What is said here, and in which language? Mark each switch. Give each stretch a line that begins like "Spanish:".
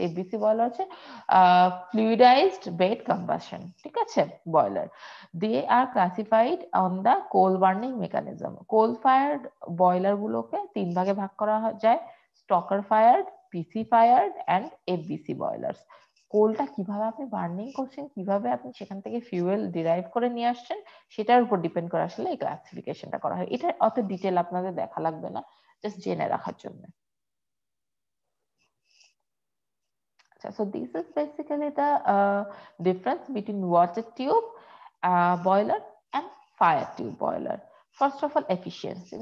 English: FBC boiler হচ্ছে fluidized bed combustion.
Bangla: ঠিক আছে, boiler.
English: They are classified on the coal burning mechanism. Coal fired boiler
Bangla: গুলোকে তিন ভাগে ভাগ করা যায়,
English: stoker fired, PC fired and FBC boilers.
Bangla: কোলটা কিভাবে আপনি বার্নিং করছেন, কিভাবে আপনি সেখান থেকে ফিউয়েল ডিরাইভ করে নিয়ে আসছেন, সেটার উপর ডিপেন্ড করে আসলে এই ক্লাসিফিকেশনটা করা হয়। এটা অত ডিটেল আপনাদের দেখা লাগবে না, জাস্ট জেনে রাখার জন্য।
English: So this is basically the difference between water tube boiler and fire tube boiler. First of all, efficiency.